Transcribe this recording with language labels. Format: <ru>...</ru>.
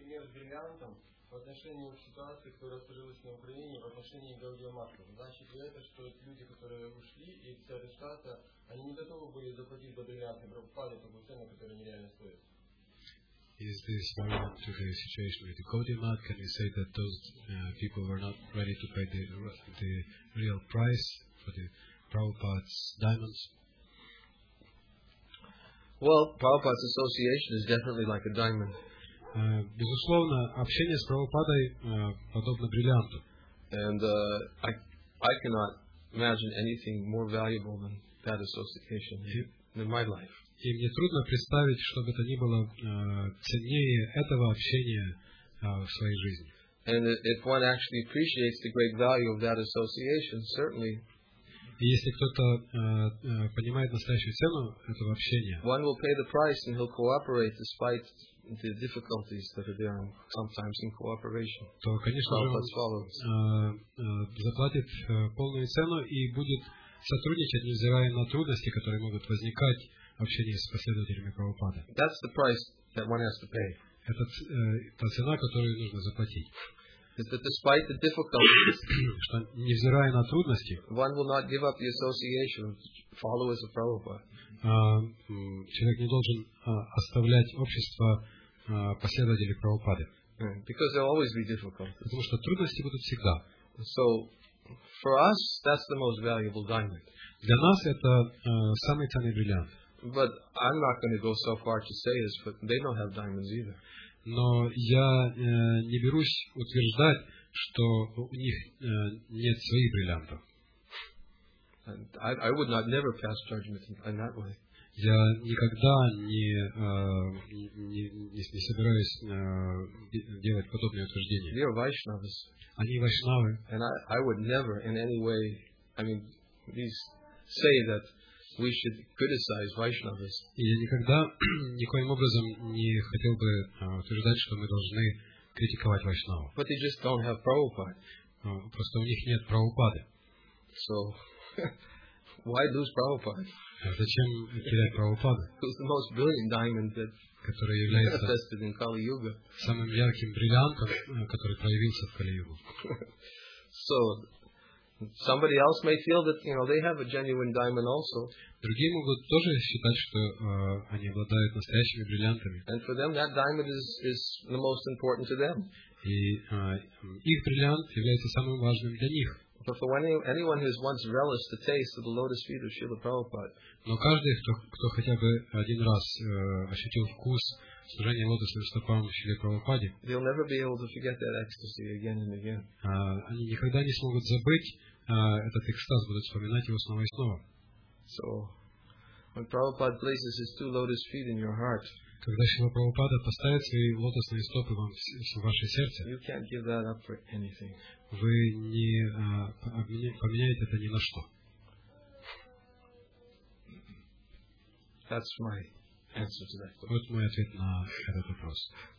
<ru>В отношении ситуации, которая сложилась на Украине, в отношении Гаудия Марка. Значит ли это, что люди, которые ушли из Соединенных Штатов, они не готовы были заплатить за бриллианты, пропали такую цену, которая нереально стоит?</ru> <en>Is this relevant to the situation with the Gaudiya Math? Can you say that those people were not ready to pay the real price for the Prabhupada's diamonds? Well, Prabhupada's association is definitely like a diamond.</en> <ru>Безусловно, общение с Прабхупадой подобно бриллианту.</ru> <en>And I cannot imagine anything more valuable than that association in my life.</en> <ru>И мне трудно представить, чтобы это ни было ценнее этого общения в своей жизни.</ru> <en>And if one actually appreciates the great value of that association, certainly.</en> <ru>И если кто-то понимает настоящую цену этого общения,</ru> <en>one will pay the price and he'll cooperate despite the difficulties that are there sometimes in cooperation.</en> <ru>То, конечно же, заплатит полную цену и будет сотрудничать, невзирая на трудности, которые могут возникать в общении с последователями Прабхупады.</ru> <en>That's the price that one has to pay.</en> <ru>Это та цена, которую нужно заплатить.</ru> <en>Is that despite the difficulties,</en> <ru>что невзирая на трудности,</ru> <en>one will not give up the association of followers of Prabhupada.</en> <ru>Человек не должен оставлять общество последователей Прабхупады.</ru> <en>Because there will always be difficulties.</en> <ru>Потому что трудности будут всегда.</ru> <en>So, for us, that's the most valuable diamond.</en> <ru>Для нас это самый ценный бриллиант.</ru> <en>But I'm not going to go so far to say this, but they don't have diamonds either.</en> <ru>Но я не берусь утверждать, что у них нет своих бриллиантов.</ru> <en>I would not never pass judgment in that way.</en> <ru>Я никогда не собираюсь делать подобные утверждения.</ru> <en>We are Vaishnavas.</en> <ru>Они вайшнавы.</ru> <en>And I would never in any way, I mean, these say that we should criticize Vaishnavas.</en> <ru>Я никогда никоим образом не хотел бы утверждать, что мы должны критиковать вайшнаву.</ru> <en>But they just don't have Prabhupada.</en> <ru>Просто у них нет Прабхупады.</ru> <en>So why lose Prabhupada?</en> <ru>Зачем терять Прабхупаду?</ru> <en>Who's the most brilliant diamond that</en> <ru>который является</ru> <en>manifested in Kali Yuga.</en> <ru>Самым ярким бриллиантом, который проявился в Кали-Югу.</ru> <en>So somebody else may feel that, you know, they have a genuine diamond also.</en> <ru>Другие могут тоже считать, что они обладают настоящими бриллиантами.</ru> <en>And for them that diamond is the most important to them.</en> <ru>И их бриллиант является самым важным для них.</ru> <en>But for anyone who has once relished the taste of the lotus feet of Srila Prabhupada.</en> <ru>Но каждый, кто хотя бы один раз ощутил вкус служения лотосным стопам Шри Прабхупаде,</ru> <en>they'll never be able to forget that ecstasy again and again.</en> <ru>Они никогда не смогут забыть этот экстаз, будут вспоминать его снова и снова.</ru> <en>So, when Prabhupada places his two lotus feet in your heart,</en> <ru>когда Шри Прабхупада поставит свои лотосные стопы вам в ваше сердце,</ru> <en>you can't give that up for anything.</en> <ru>Вы не поменяете это ни на что.</ru> <en>That's my answer to that question.</en> <ru>Вот мой ответ на этот вопрос.</ru>